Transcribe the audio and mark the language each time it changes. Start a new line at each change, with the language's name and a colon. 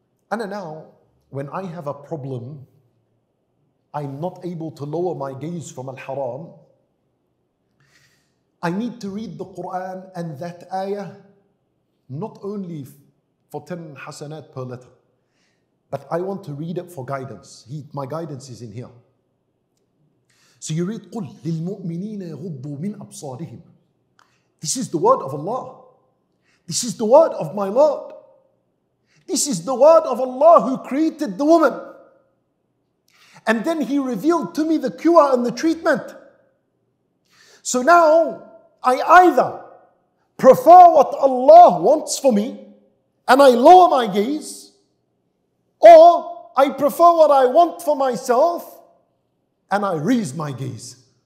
English: And now, when I have a problem, I'm not able to lower my gaze from al-haram, I need to read the Qur'an and that ayah, not only for 10 hasanat per letter, but I want to read it for guidance. My guidance is in here. So you read,
Arabic: قُلْ لِلْمُؤْمِنِينَ يَغُضُّوا مِنْ أَبْصَارِهِمْ.
English: This is the word of Allah. This is the word of my Lord. This is the word of Allah who created the woman. And then He revealed to me the cure and the treatment. So now, I either prefer what Allah wants for me and I lower my gaze, or I prefer what I want for myself and I raise my gaze.